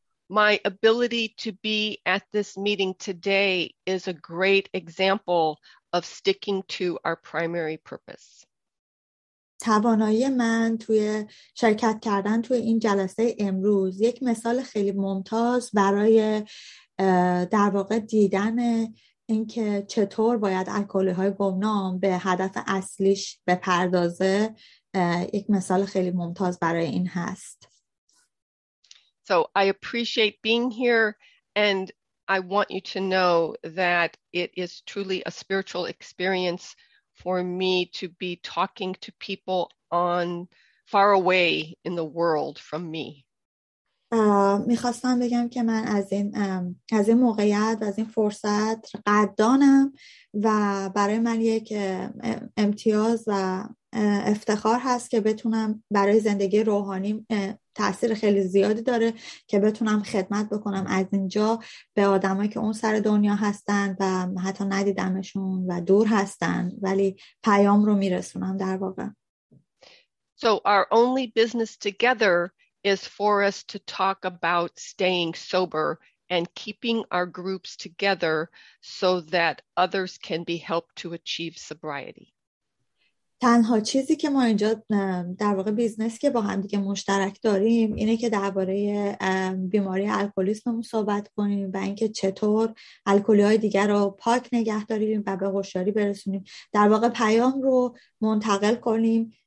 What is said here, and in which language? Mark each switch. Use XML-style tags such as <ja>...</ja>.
<en>My ability to be at this meeting today is a great example of sticking to our primary purpose.</en> <fa>توانایی من توی شرکت کردن توی این جلسه امروز یک مثال خیلی ممتاز برای در واقع دیدن اینکه چطور باید الکلی‌های گمنام به هدف اصلیش بپردازه یک مثال خیلی ممتاز برای این هست.</fa> <en>So I appreciate being here and I want you to know that it is truly a spiritual experience for me to be talking to people on far away in the world from me.</en> <fa>میخواستم بگم که من از این موقعیت و از این فرصت قدردانم و برای من یک امتیاز و افتخار هست که بتونم برای زندگی روحانی تأثیر خیلی زیادی داره که بتونم خدمت بکنم از اینجا به آدمایی که اون سر دنیا هستن و حتی ندیدمشون و دور هستن ولی پیام رو میرسونم در واقع.</fa> <en>So our only business together is for us to talk about staying sober and keeping our groups together so that others can be helped to achieve sobriety.</en> <fa>تنها چیزی که ما اینجا در واقع بیزنس که با هم دیگه مشترک داریم اینه که درباره بیماری الکلیسممون صحبت کنیم و اینکه چطور الکلی‌های دیگر رو پاک نگه داریم و به هوشیاری برسونیم، در واقع پیام رو منتقل کنیم</fa>